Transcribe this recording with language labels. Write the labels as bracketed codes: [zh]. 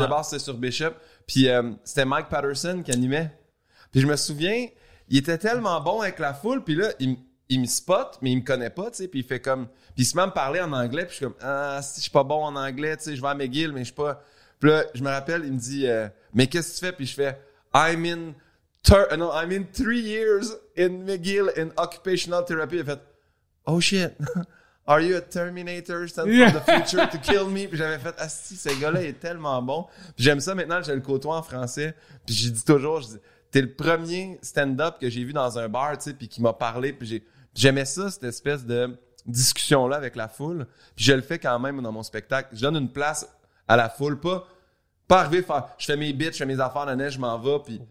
[fr] D'abord, c'était sur Bishop, puis c'était Mike Patterson qui animait. Puis je me souviens, il était tellement bon avec la foule, puis là, il me spot, mais il me connaît pas, tu sais, puis il fait comme... Puis il se met à me parler en anglais, puis je suis comme, ah, si je suis pas bon en anglais, tu sais, je vais à McGill, mais je suis pas... Puis là, je me rappelle, il me dit, mais qu'est-ce que tu fais? Puis je fais, [en] I'm in 3 years in McGill in occupational therapy. [fr] Il fait, [en] oh shit. Are you a Terminator sent from the future to kill me? [fr] Puis j'avais fait, ah si, ce gars-là est tellement bon. Puis j'aime ça maintenant, je le côtoie en français. Puis j'ai dit toujours, t'es le premier stand-up que j'ai vu dans un bar, tu sais, puis qui m'a parlé. Puis j'aimais ça, cette espèce de discussion-là avec la foule. Puis je le fais quand même dans mon spectacle. Je donne une place à la foule, pas arriver, je fais mes bits, je fais mes affaires, la neige, je m'en vais.